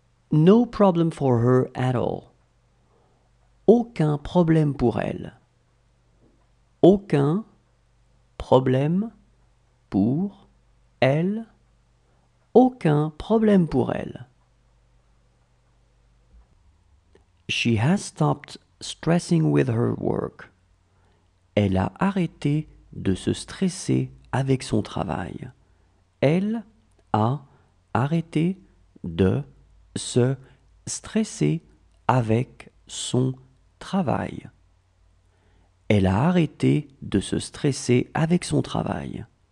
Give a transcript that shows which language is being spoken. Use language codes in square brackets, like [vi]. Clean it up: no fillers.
[en] No problem for her at all. [fr] Aucun problème pour elle. Aucun problème pour elle. Aucun problème pour elle. [en] She has stopped stressing with her work. [fr] Elle a arrêté de se stresser avec son travail. Elle a arrêté de se stresser avec son travail. Elle a arrêté de se stresser avec son travail.